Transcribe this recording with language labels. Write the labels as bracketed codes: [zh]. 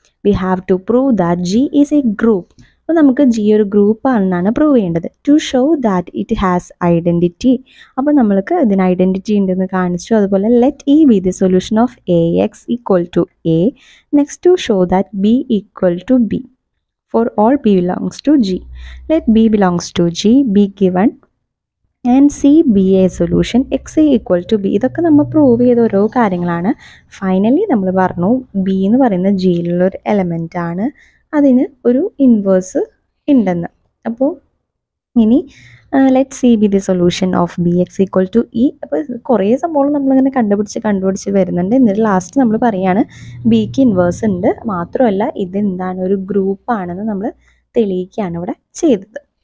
[en] We have to prove that G is a group. [ml] അപ്പോൾ നമുക്ക് G ഒരു ഗ്രൂപ്പാണെന്നാണ് prove ചെയ്യേണ്ടത്. [en] to show that it has identity, [ml] അപ്പോൾ നമ്മൾക്ക് ഇതിന് ഐഡൻറ്റിറ്റി ഉണ്ടെന്ന് കാണിച്ചു. അതുപോലെ [en] Let e be the solution of a x equal to a, next to show that b equal to b for all b belongs to g. Let b belongs to g be given and c be a solution x a equal to b. [ml] ഇതൊക്കെ നമ്മൾ prove ചെയ്ത ഓരോ കാര്യങ്ങളാണ്. Finally നമ്മൾ പറഞ്ഞു b എന്ന് പറയുന്നത് g യിലുള്ളൊരു element ആണ്, അതിന് ഒരു ഇൻവേഴ്സ് ഉണ്ടെന്ന്. അപ്പോൾ ഇനി [en] Let c be the solution of b x equal to e. [ml] അപ്പോൾ കുറേ സംഭവങ്ങൾ നമ്മളിങ്ങനെ കണ്ടുപിടിച്ച് വരുന്നുണ്ട്. എന്നിട്ട് ലാസ്റ്റ് നമ്മൾ പറയുകയാണ് ബിക്ക് ഇൻവേഴ്സ് ഉണ്ട്, മാത്രമല്ല ഇത് എന്താണ് ഒരു ഗ്രൂപ്പാണെന്ന് നമ്മൾ തെളിയിക്കുകയാണ് ഇവിടെ ചെയ്തത്.